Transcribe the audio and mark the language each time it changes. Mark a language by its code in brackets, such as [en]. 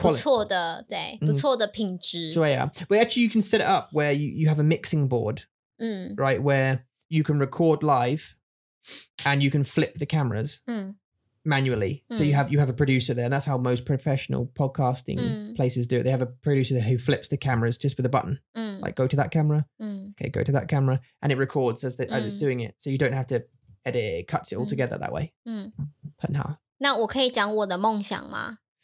[zh] 比较辛苦,但是还应该是个不错的品质。对啊, [en] but actually you can set it up where you have a mixing board, right, where you can record live and you can flip the cameras. Manually, so you have a producer there, and that's how most professional podcasting places do it. They have a producer there who flips the cameras just with a button, like go to that camera, okay, go to that camera, and it records as it's doing it, so you don't have to edit it, it cuts it all together that way. [zh] 那我可以讲我的梦想吗?